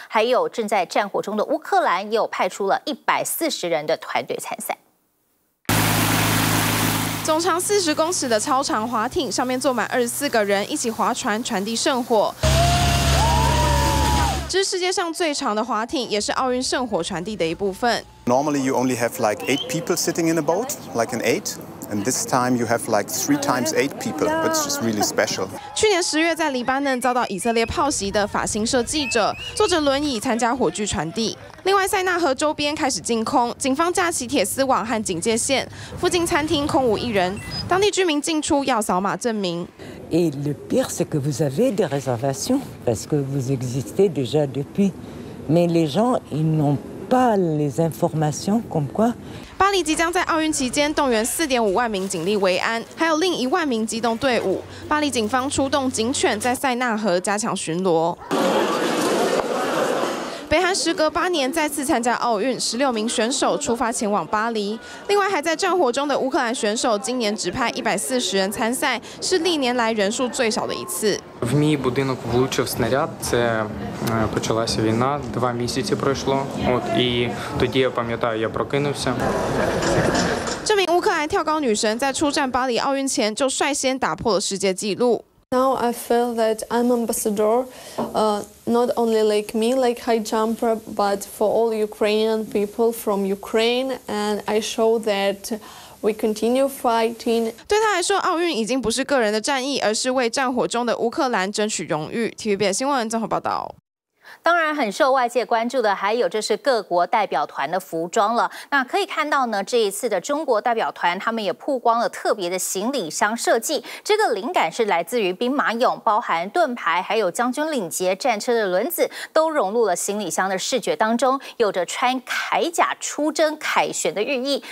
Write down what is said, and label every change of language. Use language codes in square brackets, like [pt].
[zh] 还有正在战火中的乌克兰，也有派出了140人的团队参赛。总长40公尺的超长滑艇，上面坐满24个人，一起划船传递圣火。这是世界上最长的滑艇，也是奥运圣火传递的一部分。 [en] Normally you only have like 8 people sitting in a boat, like an eight, and this time you have like 3 times 8 people, which is really special. [zh] 去年10月在黎巴嫩遭到以色列炮袭的法新社记者，坐着轮椅参加火炬传递。另外，塞纳河周边开始禁空，警方架起铁丝网和警戒线，附近餐厅空无一人，当地居民进出要扫码证明。 [fr] Et le pire, c'est que vous avez des réservations parce que vous existez déjà depuis, mais les gens, ils n'ont pas les informations comme quoi。 [zh] 巴黎即将在奥运期间动员4.5万名警力维安，还有另1万名机动队伍。巴黎警方出动警犬在塞纳河加强巡逻。北韩时隔八年再次参加奥运，16名选手出发前往巴黎。另外还在战火中的乌克兰选手，今年只派140人参赛，是历年来人数最少的一次。 [uk] В МІ будинок влучив снаряд. Це почалася війна. 2 місяці пройшло. От і тоді я пам'ятаю, я прокинувся. [zh] 这名乌克兰跳高女神在出战巴黎奥运前就率先打破了世界纪录。 [en] Now I feel that I'm ambassador, not only like me, like high jumper, but for all Ukrainian people from Ukraine, and I show that we continue fighting. [zh] 对他来说，奥运已经不是个人的战役，而是为战火中的乌克兰争取荣誉。 TVBS 新闻综合报道。当然很受外界关注的还有这是各国代表团的服装了。那可以看到呢，这一次的中国代表团他们也曝光了特别的行李箱设计，这个灵感是来自于兵马俑，包含盾牌还有将军领结、战车的轮子都融入了行李箱的视觉当中，有着穿铠甲出征凯旋的寓意。